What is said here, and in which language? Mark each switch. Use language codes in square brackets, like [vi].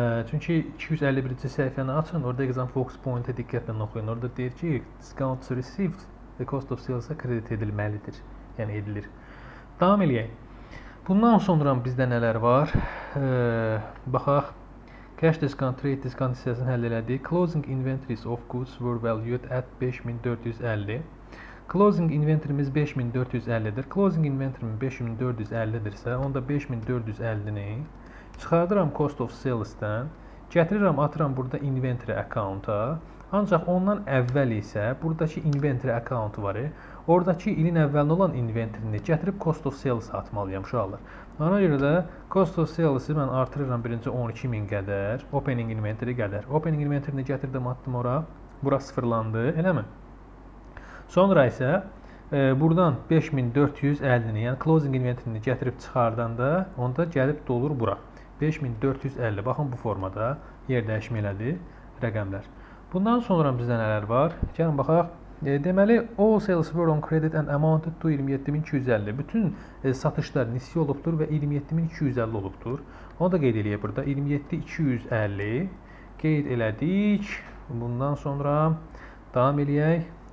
[az] Çünki 251-ci səhifəni açın. Orada exam focus point-ə diqqətlə oxuyun. Orada deyir ki, discount received the cost of sales-ə kredit edilməlidir. Yəni edilir. Davam eləyək. Bundan sonra bizdə nələr var? Baxaq. Cash discount, trade discount hissəsini həll elədi. [en] Closing inventories of goods were valued at 5450. [az] Closing inventory'miz 5450'dir. Closing inventory'm 5450'dirsə, onda 5450'ni çıxardıram cost of sales'dan. Gətirirəm, atıram burada inventory account'a. Ancaq ondan əvvəl isə buradakı inventory account'u var. Oradakı ilin əvvəlində olan inventory'ni gətirib cost of sales'a atmalıyam uşaqlar. Ona görə də cost of sales'ı mən artırıram birinci 12000 qədər, opening inventory qədər. Opening inventory'ni gətirdim, atdım ora. Bura sıfırlandı, eləmi? Sonra isə buradan 5450'ni, yəni closing inventory'ni gətirib çıxardan da, onda gəlib dolur bura. 5450, baxın bu formada yer dəyişmə elədi rəqəmlər. Bundan sonra bizdə nələr var? Gəlin baxaq. [en] Deməli, all sales were on credit and amounted to 27250. [az] Bütün satışlar nisbi olubdur və 27250 olubdur. Onu da qeyd eləyək burada. 27250 qeyd elədik. Bundan sonra davam eləyək.